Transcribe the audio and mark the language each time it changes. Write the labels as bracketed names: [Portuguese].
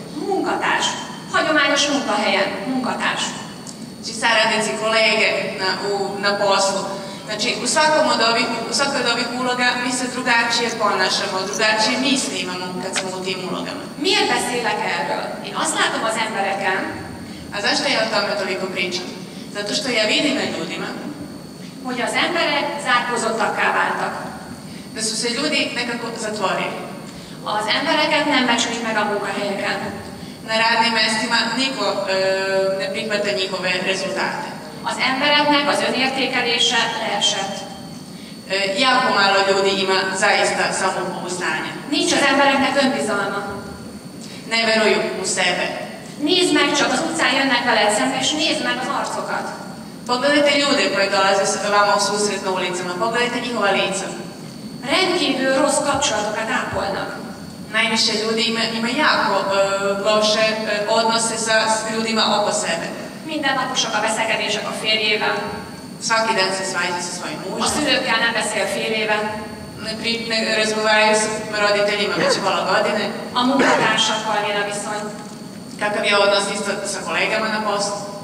[Hungarian] Munkatárs. Hagyományos munkahelyen, munkatárs. [Serbian] Či saradnici, kolege na poslu. Znači, u svakoj od ovih uloga mi se drugačije ponašamo, drugačije misli imamo kad smo u tim ulogama. [Hungarian] Miért beszélek erről? Én azt látom az embereken. [Serbian] A zašto ja o tome toliko pričam? Zato što ja vidim na ljudima. [Hungarian] Hogy az emberek zárkozottakká váltak. [Serbian] Da su se ljudi nekako zatvorili. [Hungarian] Az embereket nem becsülik meg a munkahelyeken. [Serbian] Na radnim mestima niko ne prihvata njihove rezultate. [Hungarian] Az embereknek az önértékelése leesett. [Serbian] Jako malo ljudi ima zaista samopouzdanje. [Hungarian] Nincs az embereknek önbizalma. [Serbian] Ne veruju u sebe. [Hungarian] Nézd meg csak, az utcán jönnek veled szembe, és nézd meg az arcokat. [Serbian] Pogledajte ljude koje dolaze vama u susret na ulicama, pogledajte njihova lica. [Hungarian] Rendkívül rossz kapcsolatokat ápolnak. [Serbian] Najviše ljudi ima jako loše odnose sa ljudima oko sebe. [Hungarian] Mindennaposak a beszélgetések a férjével. [Serbian] Svaki dan se svajzi sa svojim mužem. [Hungarian] A szülőkkel nem beszél a férjével. [Serbian] Ne razgovaraju s roditeljima već pola godine. [Hungarian] A munkatársakkal mi a viszony. [Serbian] Kakav je odnos isto sa kolegama na poslu.